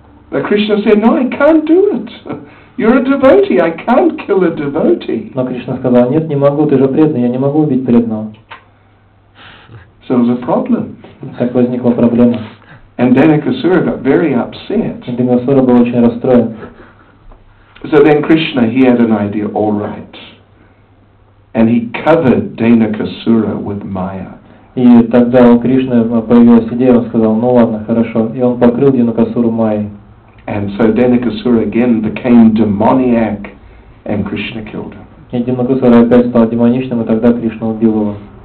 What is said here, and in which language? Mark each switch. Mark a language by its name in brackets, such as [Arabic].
[English] But Krishna said, "No, I can't do it. You're a devotee. I can't kill a devotee." [Russian] Но Кришна сказал, нет, не могу. Ты же преданный, я не могу убить преданного. [English] So there was a problem. [Russian] Так возникла проблема. [English] And Dainakasura got very upset. [Russian] И Дейнакасура был очень расстроен. [English] So then Krishna, he had an idea, all right. And he covered Dainakasura with Maya. [Russian] И тогда у Кришны появилась идея, он сказал, ну ладно, хорошо. И он покрыл Дейнакасуру Майей. [English] And so Dainakasura again became demoniac and Krishna killed him. [Russian] И Дейнакасура опять стал демоничным, и тогда Кришна убил его.